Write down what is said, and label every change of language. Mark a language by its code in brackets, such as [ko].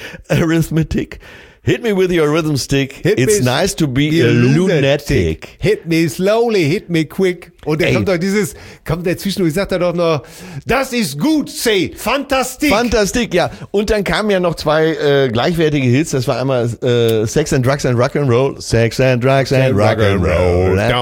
[en] Arithmetic. Hit me with your rhythm stick. It's nice to be a lunatic. Hit me slowly, hit me quick. [de] Und da kommt doch dieses, kommt der zwischen, ich sag da doch noch, das ist gut, [en] say, fantastic. [de] Fantastic, ja. Und dann kamen ja noch zwei gleichwertige Hits. Das war einmal Sex and Drugs and Rock'n'Roll. [en] Sex and Drugs and Rock'n'Roll.